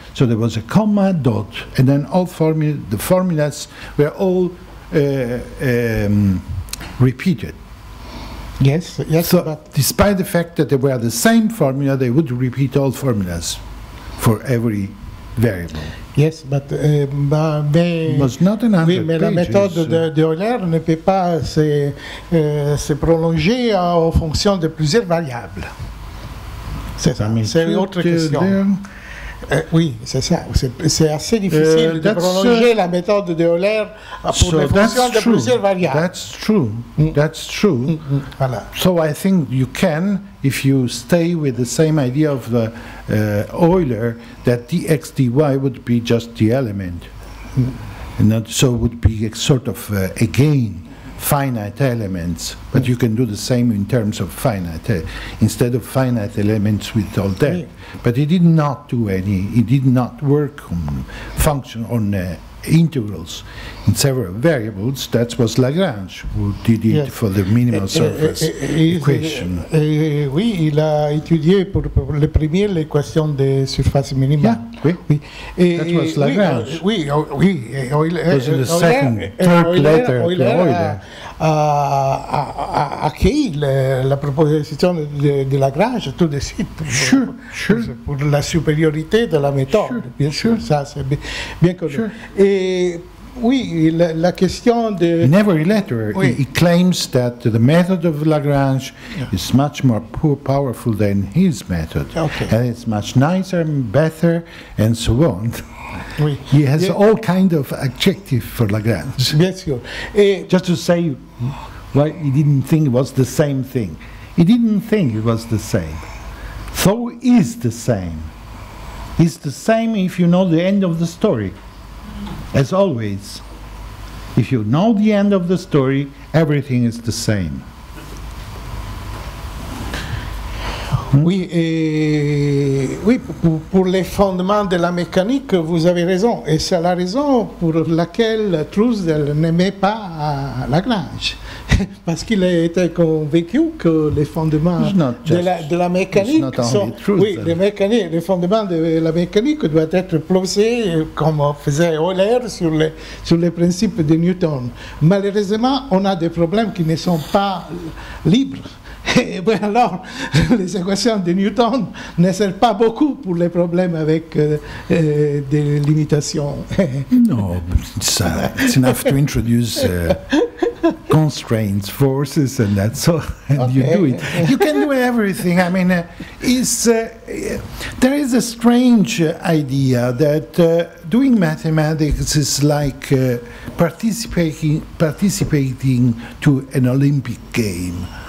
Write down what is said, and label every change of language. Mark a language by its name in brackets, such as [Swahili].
[English] So there was a comma, dot, and then the formulas were all repeated. Yes. So but despite the fact that they were the same formula, they would repeat all formulas for every variable. Yes, but was not an [French] oui, mais la méthode de Euler ne peut pas se prolonger aux fonctions de plusieurs variables. C'est une autre question. Oui, c'est ça. C'est assez difficile de prolonger la méthode de Euler pour des fonctions de plusieurs variables. [English] That's true. That's true. Mm-hmm. Voilà. So I think you can, if you stay with the same idea of the Euler, that dx dy would be just the element, and that so would be a sort of again finite elements. But you can do the same in terms of finite, instead of finite elements with all that. But he did not do any. He did not work on function on integrals in several variables. That was Lagrange who did it for the minimal surface equation. [French] Oui, il a étudié pour le premier l'équation de surface minimale. [English] Yeah, oui. That was Lagrange. [French] Oui. [English] It was in the second, third letter to Euler. [French] A qui la proposition de Lagrange, tout de suite, pour la supériorité de la méthode, bien sûr. Ça c'est bien connu. [English] Sure. [French] Et oui, la question de... [English] In every letter, he claims that the method of Lagrange is much more powerful than his method, and it's much nicer and better, and so on. [French] Oui. [English] He has all kind of adjective for Lagrange. [French] Bien sûr. [English] Just to say why he didn't think it was the same thing. He didn't think it was the same. So is the same. It's the same if you know the end of the story. As always, if you know the end of the story, everything is the same. [French] Oui, pour les fondements de la mécanique, vous avez raison. Et c'est la raison pour laquelle Trousdale n'aimait pas Lagrange. Parce qu'il était convaincu que les fondements de la mécanique sont... Oui, les fondements de la mécanique doivent être posés, comme faisait Euler, sur les principes de Newton. Malheureusement, on a des problèmes qui ne sont pas libres. Et bien alors, les équations de Newton ne servent pas beaucoup pour les problèmes avec des limitations. [English] Non, it's enough to introduce constraints, forces, and that's all. And you do it. You can do everything. I mean, there is a strange idea that doing mathematics is like participating to an Olympic game.